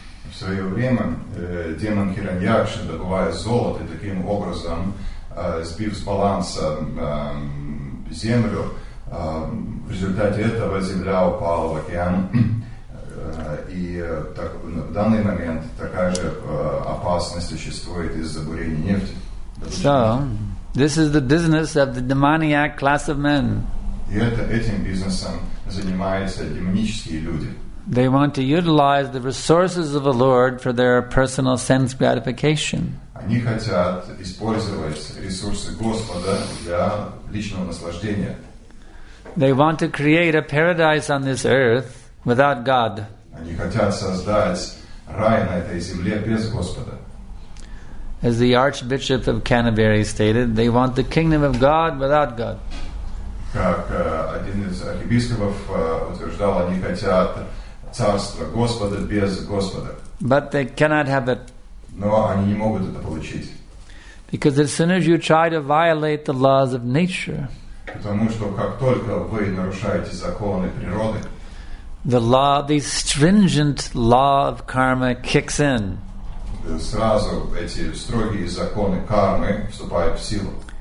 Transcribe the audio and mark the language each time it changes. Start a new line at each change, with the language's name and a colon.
Russian: В свое время демон Хираньякша добывает золото и таким образом, сбив с баланса землю, в результате этого земля упала в океан. И в данный момент такая же опасность существует из-за бурения нефти.
English: So, this is the business of the demoniac class of men.
Russian: И этим бизнесом занимаются демонические люди.
English: They want to utilize the resources of the Lord for their personal sense gratification.
Russian: Они хотят использовать ресурсы Господа для личного наслаждения.
English: They want to create a paradise on this earth without God.
Russian: Они хотят создать рай на этой земле без Господа.
English: As the Archbishop of Canterbury stated, they want the kingdom of God without God.
Russian: Как один из архиепископов утверждал, они хотят царство Господа без Господа.
English: But they cannot have it.
Russian: Но они не могут это получить.
English: Because as soon as you try to violate the laws of nature,
Russian: потому что как только вы нарушаете законы природы,
English: the stringent law of karma kicks in.
Russian: Сразу эти строгие законы кармы вступают в силу.